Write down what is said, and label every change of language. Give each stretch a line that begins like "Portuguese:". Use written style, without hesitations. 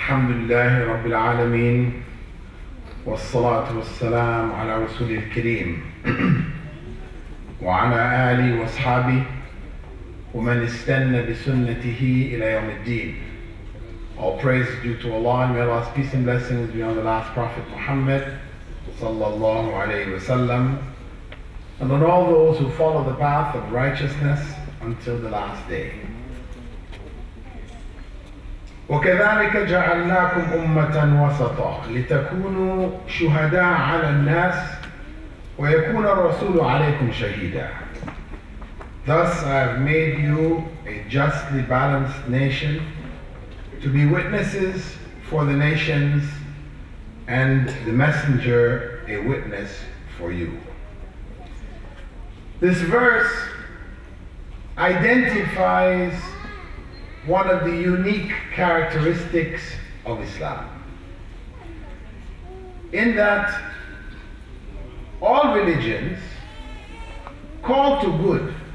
Arabic: لله رب العالمين والصلاة والسلام على رسول الكريم وعلى آله وأصحابه ومن استنى بسنته إلى يوم الدين.
English: All praise due to Allah and may Allah's peace and blessings be on the last Prophet Muhammad
Arabic: صلى الله عليه وسلم
English: and on all those who follow the path of righteousness until the last day.
Arabic: وكذلك جعلناكم أمة وسطا لتكونوا شهداء على الناس ويكون الرسول عليكم شهيدا.
English: Thus I have made you a justly balanced nation to be witnesses for the nations and the messenger a witness for you. This verse identifies one of the unique characteristics of Islam, in that all religions call to good.